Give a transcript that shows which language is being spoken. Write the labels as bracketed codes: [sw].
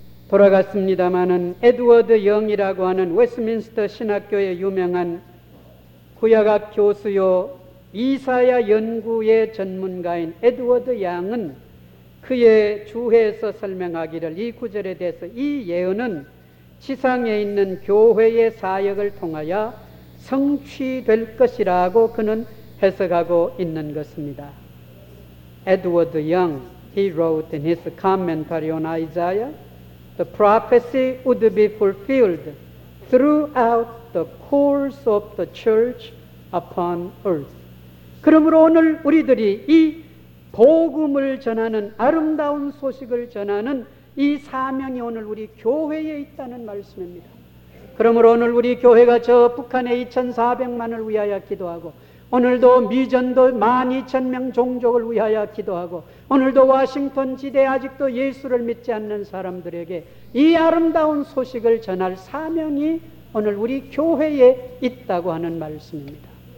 [ko] 돌아갔습니다마는 에드워드 영이라고 하는 웨스트민스터 신학교의 유명한 구약학 교수요 이사야 연구의 전문가인 에드워드 양은 그의 주회에서 설명하기를 이 구절에 대해서 이 예언은 지상에 있는 교회의 사역을 통하여 성취될 것이라고 그는 해석하고 있는 것입니다. [en] Edward Young, he wrote in his commentary on Isaiah, the prophecy would be fulfilled throughout the course of the church upon earth. [ko] 그러므로 오늘 우리들이 이 복음을 전하는, 아름다운 소식을 전하는 이 사명이 오늘 우리 교회에 있다는 말씀입니다. 그러므로 오늘 우리 교회가 저 북한의 2,400만을 위하여 기도하고, 오늘도 미전도 12,000명 종족을 위하여 기도하고, 오늘도 워싱턴 지대 아직도 예수를 믿지 않는 사람들에게 이 아름다운 소식을 전할 사명이 오늘 우리 교회에 있다고 하는 말씀입니다.